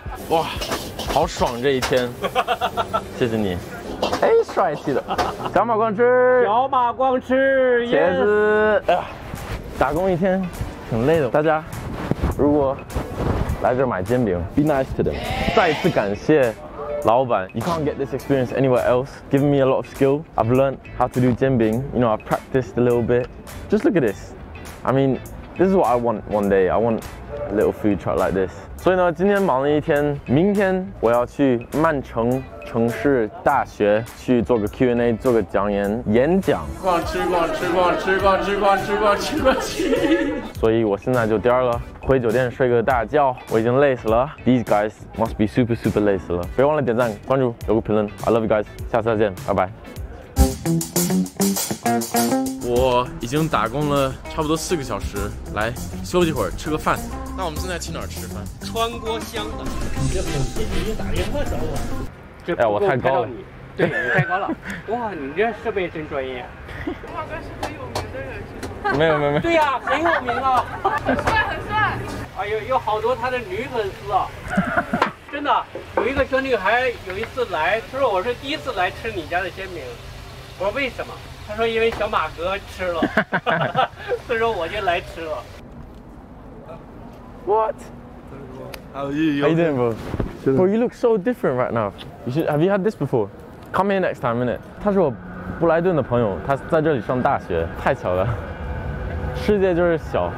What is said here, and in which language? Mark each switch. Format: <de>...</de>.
<zh>哇，好爽这一天，谢谢你。哎，帅气的，小马光吃，茄子。哎呀，打工一天挺累的。大家如果来这买煎饼 ，</zh> <en>be nice to them。</en> <zh>再次感谢老板</zh> <en>，You can't get this experience anywhere else. Giving me a lot of skill. I've learned how to do 煎饼 You know, I practiced a little bit. Just look at this. I mean, this is what I want one day. I want a little food truck like this.</en> <zh>所以呢，今天忙了一天，明天我要去曼城城市大学去做个 Q&A， 做个讲演演讲。逛吃逛吃逛吃逛吃逛吃逛吃逛吃。所以我现在就颠了，回酒店睡个大觉，我已经累死了。</zh> <en>These guys must be super super</en> <zh>累死了。别忘了点赞、关注、留个评论。</zh> <en>I love you guys，</en> <zh>下次再见，拜拜。我已经打工了差不多4个小时，来休息会儿，吃个饭。那我们现在去哪儿吃饭？川锅香的。你这粉丝已经打电话找我。哎，我太高了。对，你太高了。哇，你这设备真专业。马哥是很有名的人是吗？没有。对呀、啊，很有名啊。很帅。哎呦，有好多他的女粉丝啊。真的，有一个小女孩有一次来，她说我是第一次来吃你家的煎饼。我说为什么？她说因为小马哥吃了。她说我就来吃了。</zh> <en>What? How are you doing, bro? Bro, you look so different right now. Have you had this before? Come here next time, innit?</en> <zh>他是我布莱顿的朋友，他在这里上大学，太巧了。世界就是小。</zh>